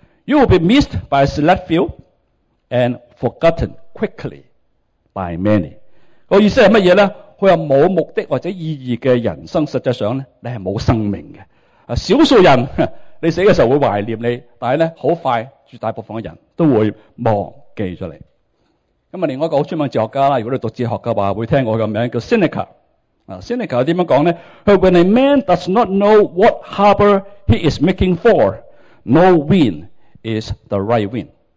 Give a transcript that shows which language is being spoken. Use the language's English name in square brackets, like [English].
[English] You will be missed by a select few and forgotten quickly. By many， [Cantonese] 个意思系乜嘢咧？佢话冇目的或者意义嘅人生，实际上咧，你系冇生命嘅。少数人你死嘅时候会怀念你，但系咧好快，绝大部分嘅人都会忘记咗你。咁啊，另外一个好出名哲学家啦，如果你读哲学嘅话，会听我嘅名叫 Seneca。 Seneca 点样讲咧？ [English] 佢 When a man does not know what harbour he is making for, no wind is the right wind。